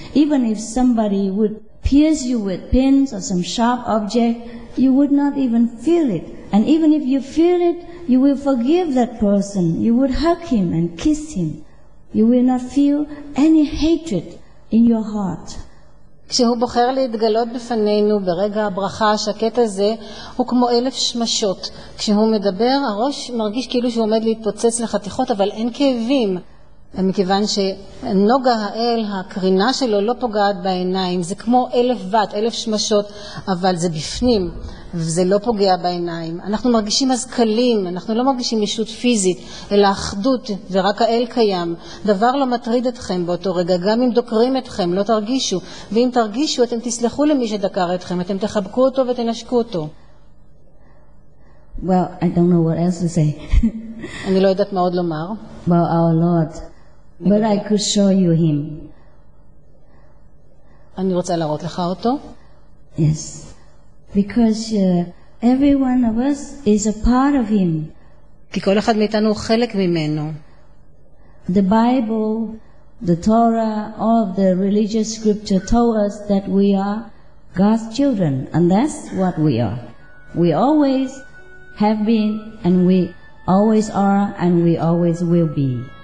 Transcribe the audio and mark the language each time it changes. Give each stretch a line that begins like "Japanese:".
English: Even if somebody would pierce you with pins or some sharp object, you would not even feel it. And even if you feel it, you will forgive that person. You would hug him and kiss him. You will not feel any hatred in your heart.
Hebrew: כשהוא בוחר להתגלות בפנינו ברגע הברכה השקט הזה, הוא כמו אלף שמשות. כשהוא מדבר, הראש מרגיש כאילו שהוא עומד להתפוצץ לחתיכות, אבל אין כאבים. מכיוון שנוגה האל, הקרינה שלו לא פוגעת בעיניים. זה כמו אלף וט, אלף שמשות, אבל זה בפנים, וזה לא פוגע בעיניים. אנחנו מרגישים אזכלים, אנחנו לא מרגישים ישות פיזית, אלא אחדות, ורק האל קיים. דבר לא מטריד אתכם באותו רגע, גם אם דוקרים אתכם, לא תרגישו. ואם תרגישו, אתם תסלחו למי שדקר אתכם, אתם תחבקו אותו ותנשקו אותו.
English: Well, I don't know what else to say.
Hebrew: אני לא יודעת מה עוד לומר.
English: Well, our Lord. But I could show you him.
Hebrew: אני רוצה להראות לך אותו.
English: Yes. Because every one of us is a part of him.
Hebrew: כי כל אחד מאיתנו הוא חלק ממנו.
English: The Bible, the Torah, all of the religious scripture told us that we are God's children, and that's what we are. We always have been, and we always are, and we always will be.